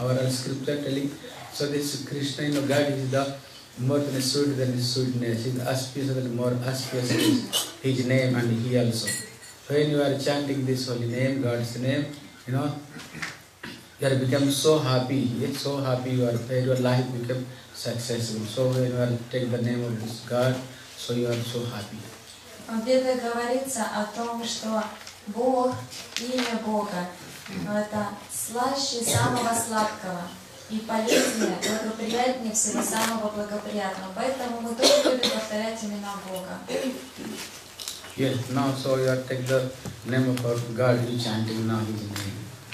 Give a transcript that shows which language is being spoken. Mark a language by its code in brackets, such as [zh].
[en] Our all scripture telling, so this Krishna, you know, God is the more than a suit than his sweetness, his auspicious than more auspicious is his name and he also. When you are chanting this holy name, God's name, you know, You are become so happy, it's so happy you are, your life become successful. So when you are take the name of this God, so you are so happy. [ru] Где-то говорится о том, что Бог, имя Бога, это слаще самого сладкого и полезнее, благоприятнее всего самого благоприятного. Поэтому мы тоже будем повторять имена Бога. [en] Yes, now so you are taking the name of our God, you chanting now His name.